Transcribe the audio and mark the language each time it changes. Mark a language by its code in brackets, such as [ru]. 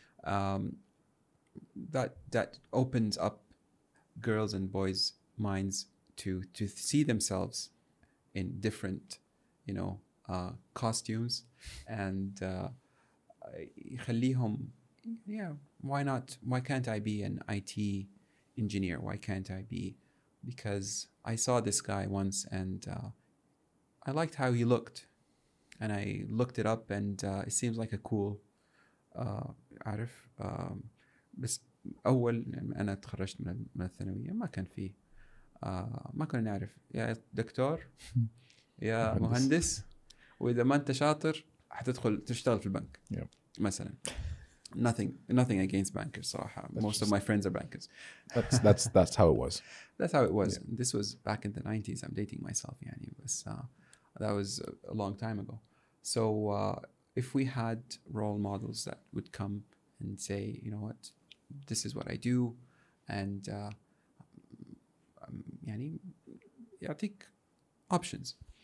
[en] that opens up girls and boys' minds to see themselves in different, you know, costumes, and [ar] خليهم, [en] yeah, why not? Why can't I be an IT engineer? Why can't I be? Because I saw this guy once and I liked how he looked, and I looked it up, and it seems like a cool [ar] عارف بس أول أنا تخرجت من الثانوية ما كان في ما كنا نعرف يا دكتور يا مهندس وإذا ما أنت شاطر حتدخل تشتغل في البنك مثلا. [en] Nothing against bankers, [ar] صراحة. [en] Most of my friends are bankers. That's how it was. That's how it was. Yeah. This was back in the 90s. I'm dating myself, [ar] يعني. بس, [en] that was a long time ago. So if we had role models that would come and say, you know what, this is what I do, and [ar] يعني يعطيك [en] options.